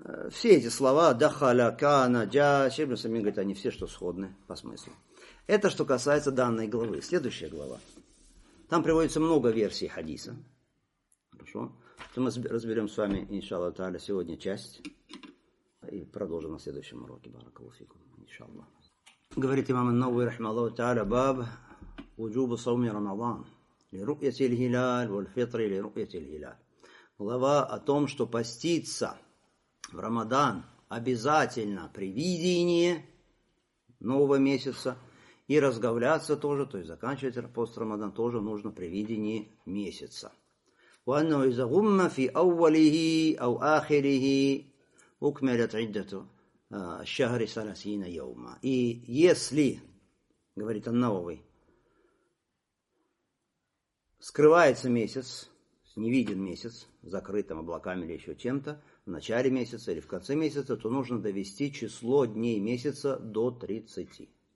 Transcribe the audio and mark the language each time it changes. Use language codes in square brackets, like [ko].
[ru] Все эти слова, дахаля, кана, джа, Шейхуль Исламин говорит, они все, что сходны по смыслу. Это что касается данной главы. Следующая глава. Там приводится много версий хадиса. Хорошо. То мы разберем с вами, иншалла та'аля, сегодня часть. И продолжим на следующем уроке. Баракаллаху фикум, иншалла. Говорит имам ан-Наввии, рахмаллаху та'аля, баб [ar] وجوب صوم رمضان لرؤية الهلال [ru] والفطر لرؤية الهلال. Глава о том, что поститься в Рамадан обязательно при видении нового месяца и разговляться тоже, то есть заканчивать пост Рамадан тоже нужно при видении месяца. [ar] وأنه إذا غم في أوله أو آخره أكملت عدة الشهر 30 يوما. [ru] И если, говорит ан-Наввий, скрывается месяц, не виден месяц, закрыт там облаками или еще чем-то, в начале месяца или в конце месяца, то нужно довести число дней месяца до 30.